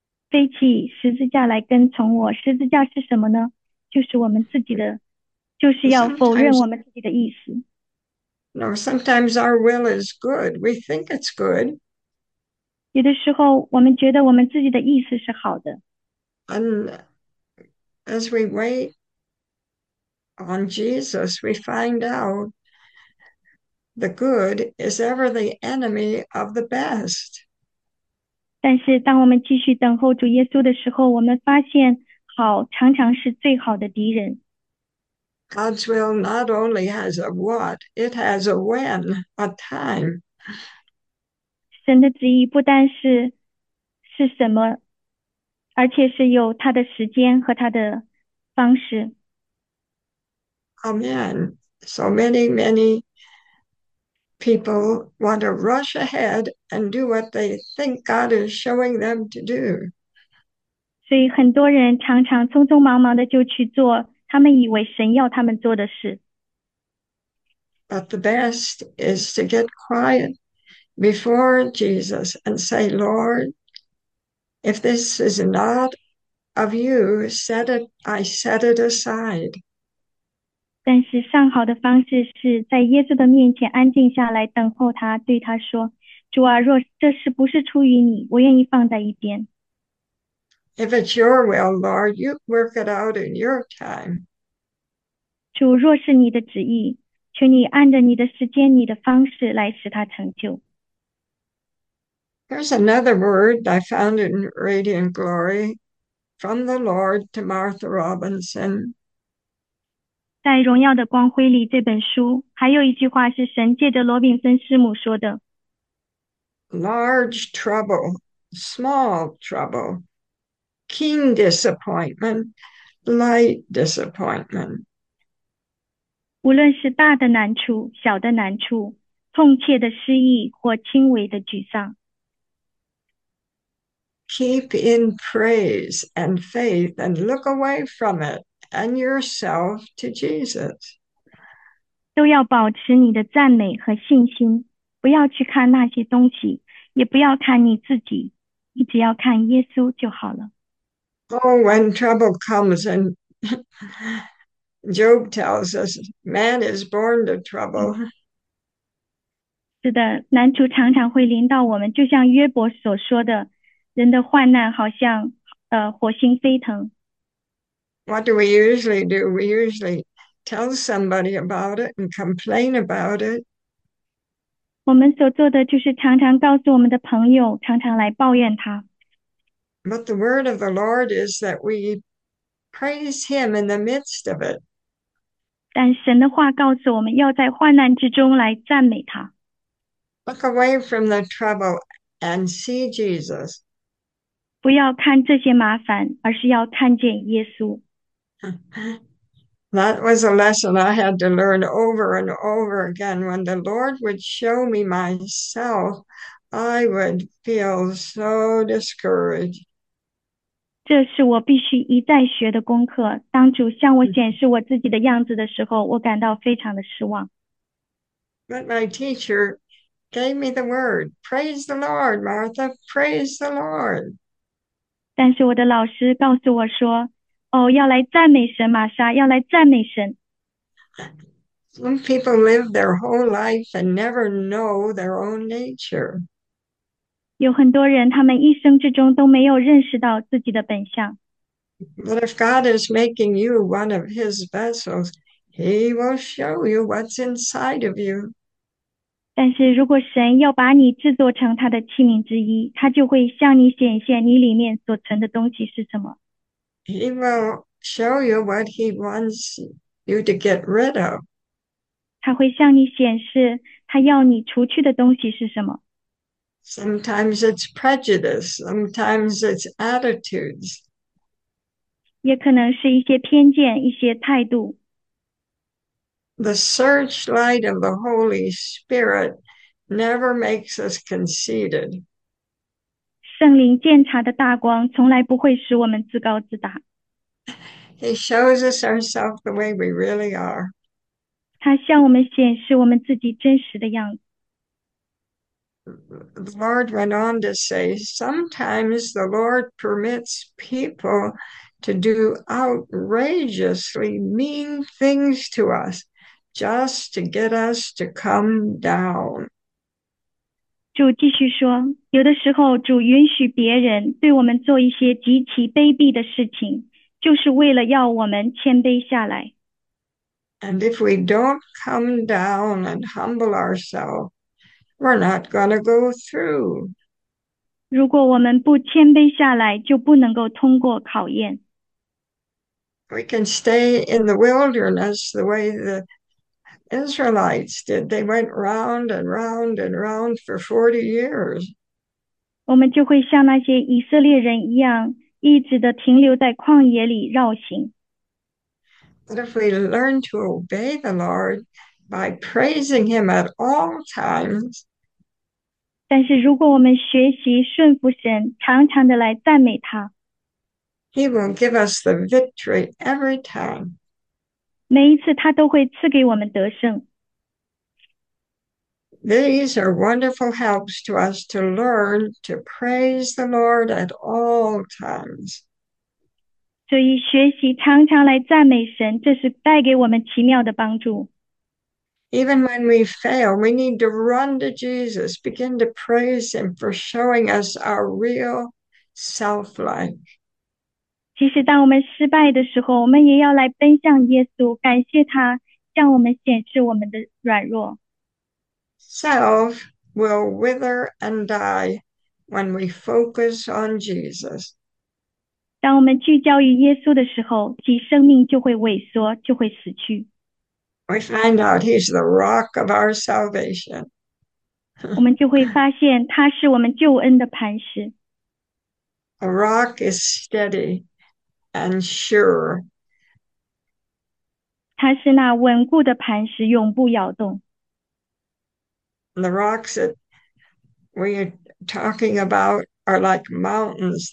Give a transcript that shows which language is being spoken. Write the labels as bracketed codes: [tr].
[zh] 背起十字架来跟从我，十字架是什么呢？就是我们自己的，就是要否认我们自己的意思。 [en] Sometimes our will is good. We think it's good. [zh] 有的时候，我们觉得我们自己的意思是好的。” [en] And as we wait on Jesus, we find out the good is ever the enemy of the best. [zh] 但是，当我们继续等候主耶稣的时候，我们发现好常常是最好的敌人。 [en] God's will not only has a what, it has a when, a time. [zh] 神的旨意不单是什么，而且是有他的时间和他的方式。 [en] Amen. So many, many people want to rush ahead and do what they think God is showing them to do. [zh] 所以很多人常常匆匆忙忙的就去做他们以为神要他们做的事。 [en] But the best is to get quiet before Jesus and say, Lord, if this is not of you, set it, I set it aside. [zh] 但是上好的方式是在耶稣的面前安静下来，等候他，对他说：“主啊，若这事不是出于你，我愿意放在一边。 [en] If it's your will, Lord, you work it out in your time. [zh] ”主，若是你的旨意，求你按着你的时间、你的方式来使他成就。 [en] Here's another word I found in Radiant Glory from the Lord to Martha Robinson. [zh] 在《荣耀的光辉》里这本书，还有一句话是神借着罗宾森师母说的。 [en] Large trouble, small trouble, keen disappointment, light disappointment. [zh] 无论是大的难处、小的难处、痛切的失意或轻微的沮丧。 [en] Keep in praise and faith and look away from it and yourself to Jesus. [zh] 都要保持你的赞美和信心，不要去看那些东西，也不要看你自己，你只要看耶稣就好了。 [en] Oh, when trouble comes, and Job tells us, man is born to trouble. [zh] 是的，难处常常会临到我们，就像约伯所说的，人的患难好像火星飞腾。 [en] What do we usually do? We usually tell somebody about it and complain about it. [zh] 我们所做的就是常常告诉我们的朋友，常常来抱怨他。 [en] But the word of the Lord is that we praise Him in the midst of it. [zh] 但神的话告诉我们要在患难之中来赞美他。 [en] Look away from the trouble and see Jesus. [zh] 不要看这些麻烦，而是要看见耶稣。 [en] That was a lesson I had to learn over and over again. When the Lord would show me myself, I would feel so discouraged. [zh] 这是我必须一再学的功课。当主向我显示我自己的样子的时候，我感到非常的失望。 [en] But my teacher gave me the word, praise the Lord, Martha, praise the Lord. [zh] 但是我的老师告诉我说：“哦，要来赞美神，玛莎，要来赞美神。 [en] Some people live their whole life and never know their own nature. [zh] ”有很多人，他们一生之中都没有认识到自己的本相。 [en] But if God is making you one of His vessels, He will show you what's inside of you. [zh] 但是，如果神要把你制作成他的器皿之一，他就会向你显现你里面所存的东西是什么。 [en] He will show you what He wants you to get rid of. [zh] 他会向你显示他要你除去的东西是什么。 [en] Sometimes it's prejudice, sometimes it's attitudes. [zh] 也可能是一些偏见，一些态度。 [en] The searchlight of the Holy Spirit never makes us conceited. [zh] 圣灵鉴察的大光从来不会使我们自高自大。 [en] He shows us ourselves the way we really are. [zh] 他向我们显示我们自己真实的样子。 [en] The Lord went on to say, sometimes the Lord permits people to do outrageously mean things to us just to get us to come down. [zh] 主继续说，有的时候主允许别人对我们做一些极其卑鄙的事情，就是为了要我们谦卑下来。 [en] And if we don't come down and humble ourselves, we're not going to go through. [zh] 如果我们不谦卑下来，就不能够通过考验。 [en] We can stay in the wilderness the way the Israelites did. They went round and round and round for 40 years. [zh] 我们就会像那些以色列人一样，一直的停留在旷野里绕行。 [en] But if we learn to obey the Lord by praising Him at all times, [zh] 但是如果我们学习顺服神，常常的来赞美他， [en] He will give us the victory every time. [zh] 每一次他都会赐给我们得胜。 [en] These are wonderful helps to us to learn to praise the Lord at all times. [zh] 所以学习常常来赞美神，这是带给我们奇妙的帮助。 [en] Even when we fail, we need to run to Jesus, begin to praise Him for showing us our real self-life. [zh] 即使当我们失败的时候，我们也要来奔向耶稣，感谢他向我们显示我们的软弱。 [en] Self will wither and die when we focus on Jesus. [zh] 当我们聚焦于耶稣的时候，其生命就会萎缩，就会死去。 [en] We find out he's the rock of our salvation. [zh] 我们就会发现他是我们救恩的磐石。 [en] A rock is steady and sure. [zh] 它是那稳固的磐石，永不摇动。 [en] And the rocks that we're talking about are like mountains.